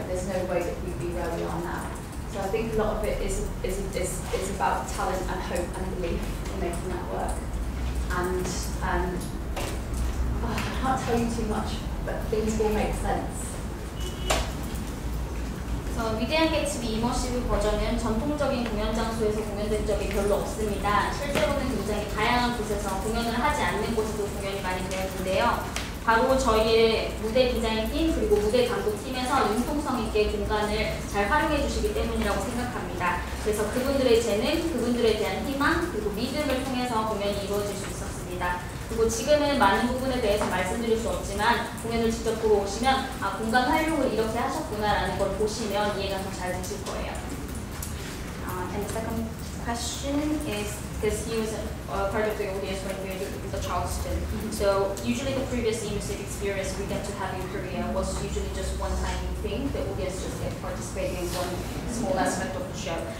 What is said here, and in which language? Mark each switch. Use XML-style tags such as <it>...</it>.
<en>There's no way that we'd be where we are now. So I think a lot of it is about talent and hope and belief. Making that work, and I can't tell you too much, but things will make sense.</en> <ko>So, 위대한 개츠비 이머시브 버전은 전통적인 공연 장소에서 공연된 적이 별로 없습니다. 실제로는 굉장히 다양한 곳에서 공연을 하지 않는 곳에서 공연이 많이 되었는데요. 바로 저희의 무대 디자인팀 그리고 무대 감독팀에서 융통성 있게 공간을 잘 활용해 주시기 때문이라고 생각합니다. 그래서 그분들의 재능, 그분들에 대한 희망, 그리고 믿음을 통해서 공연이 이루어질 수 있었습니다. 그리고 지금은 많은 부분에 대해서 말씀드릴 수 없지만 공연을 직접 보러 오시면 아, 공간 활용을 이렇게 하셨구나라는 걸 보시면 이해가 더 잘 되실 거예요.</ko> <en>And the second question is, because he was part of the audience when we were with the Charleston. Mm-hmm. So usually the previous immersive experience we get to have in Korea was usually just one tiny thing. The audience just get participating in one small aspect of the show.</en>